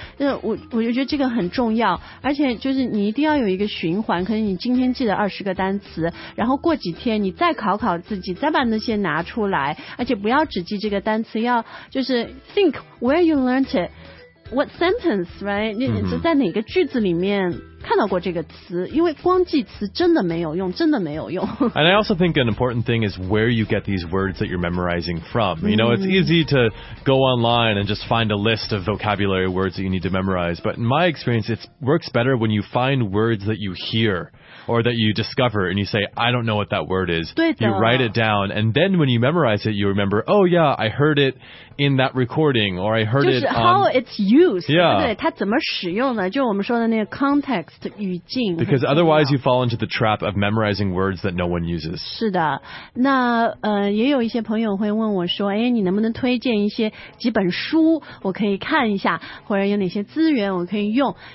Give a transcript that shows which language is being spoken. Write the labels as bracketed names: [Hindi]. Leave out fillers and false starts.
[Chinese] mm-hmm. ，我就觉得这个很重要，而且就是你一定要有一个循环，可能你今天记了20个单词，然后过几天你再考考自己，再把那些拿出来，而且不要只记这个单词，要就是 [English] think where you learnt it。 What sentence, right? [Chinese] 你在哪个句子里面看到过这个词？因为光记词真的没有用，真的没有用。 [English] And I also think an important thing is where you get these words that you're memorizing from. You know, it's easy to go online and just find a list of vocabulary words that you need to memorize. But in my experience, it works better when you find words that you hear. Or that you discover and you say, I don't know what that word is. [Chinese] 对的。 [English] You write it down. And then when you memorize it, you remember, oh yeah, I heard it in that recording. Or I heard it [Chinese] 就是 [English] how it's used. Yeah. [Chinese] 对不对？它怎么使用呢？就我们说的那个 context, 语境。 [English] Because otherwise you fall into the trap of memorizing words that no one uses. [Chinese] 是的。那也有一些朋友会问我说，哎，你能不能推荐一些几本书我可以看一下，或者有哪些资源我可以用。